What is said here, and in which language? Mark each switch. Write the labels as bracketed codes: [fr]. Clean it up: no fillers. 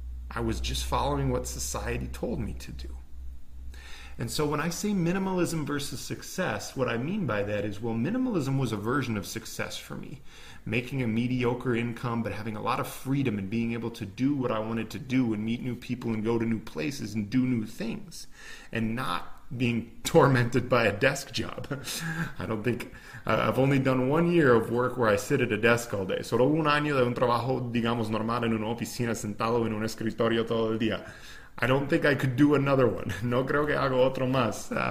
[en] I was just following what society told me to do. And so when I say minimalism versus success, what I mean by that is, well, minimalism was a version of success for me, making a mediocre income, but having a lot of freedom and being able to do what I wanted to do and meet new people and go to new places and do new things and not being tormented by a desk job. I've only done 1 year of work where I sit at a desk all day. [es] Solo un año de un trabajo, digamos, normal en una oficina sentado en un escritorio todo el día. [en] I don't think I could do another one. [es] No creo que hago otro más.